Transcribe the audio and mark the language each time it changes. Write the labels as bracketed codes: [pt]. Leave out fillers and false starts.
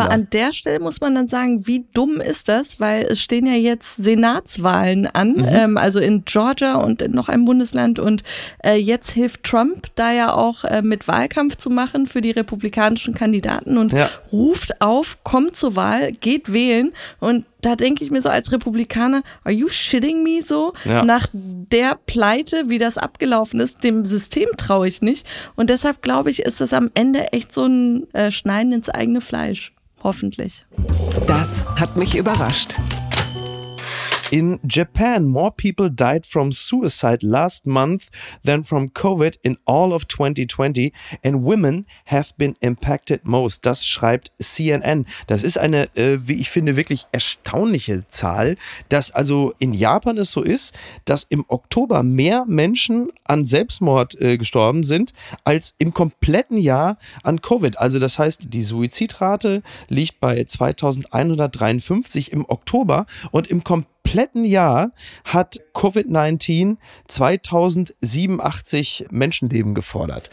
[de] Aber an der Stelle muss man dann sagen, wie dumm ist das, weil es stehen ja jetzt Senatswahlen an, also in Georgia und in noch einem Bundesland und jetzt hilft Trump da ja auch mit Wahlkampf zu machen für die republikanischen Kandidaten und ruft auf, kommt zur Wahl, geht wählen und da denke ich mir so als Republikaner, [en] are you shitting me [de] so? Ja. Nach der Pleite, wie das abgelaufen ist, dem System traue ich nicht. Und deshalb glaube ich, ist das am Ende echt so ein Schneiden ins eigene Fleisch. Hoffentlich. Das hat mich überrascht. [en] In Japan, more people died from suicide last month than from COVID in all of 2020. And women have been impacted most. [de] Das schreibt CNN. Das ist eine, wie ich finde, wirklich erstaunliche Zahl, dass also in Japan es so ist, dass im Oktober mehr Menschen an Selbstmord gestorben sind als im kompletten Jahr an COVID. Also das heißt, die Suizidrate liegt bei 2153 im Oktober und im kompletten Jahr hat Covid-19 2087 Menschenleben gefordert.